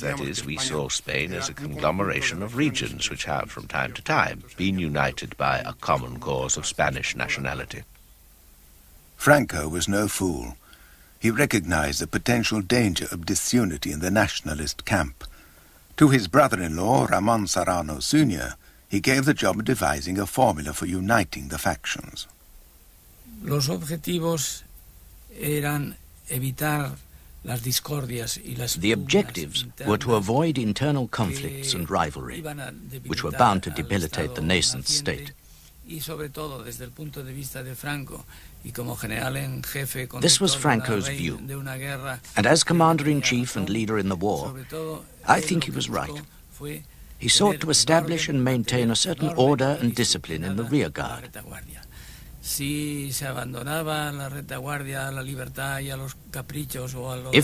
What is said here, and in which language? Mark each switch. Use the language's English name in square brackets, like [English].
[English] That is, we saw Spain as a conglomeration of regions which have, from time to time, been united by a common cause of Spanish nationality. Franco was no fool. He recognized the potential danger of disunity in the nationalist camp. To his brother-in-law, Ramón Serrano Sr., he gave the job of devising a formula for uniting the factions. [Spanish] Los objetivos eran evitar las discordias y las... [English] The objectives were to avoid internal conflicts and rivalry, which were bound to debilitate the nascent state. [Spanish] Y sobre todo desde el punto de vista de Franco y como general en jefe... [English] This was Franco's view. And as commander-in-chief and leader in the war, I think he was right. He sought to establish and maintain a certain order and discipline in the rear guard. [Spanish] Si se abandonaba la retaguardia, la libertad y a los caprichos o a los...